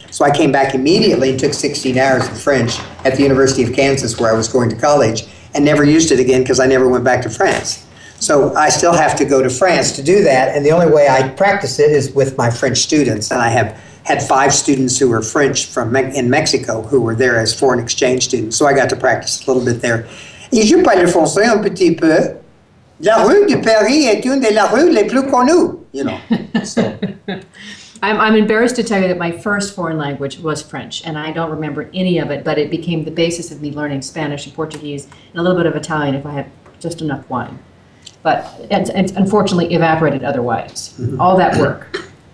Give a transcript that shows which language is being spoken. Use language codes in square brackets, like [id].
[en] So I came back immediately and took 16 hours of French at the University of Kansas where I was going to college and never used it again because I never went back to France. So I still have to go to France to do that. And the only way I practice it is with my French students. And I have had five students who were French in Mexico who were there as foreign exchange students. So I got to practice a little bit there. [fr] Et je parle français un petit peu. La rue de Paris est une de la rue les plus connues, [en] you know. So. I'm embarrassed to tell you that my first foreign language was French, and I don't remember any of it, but it became the basis of me learning Spanish and Portuguese and a little bit of Italian if I had just enough wine. But it's unfortunately evaporated otherwise. Mm-hmm. All that work.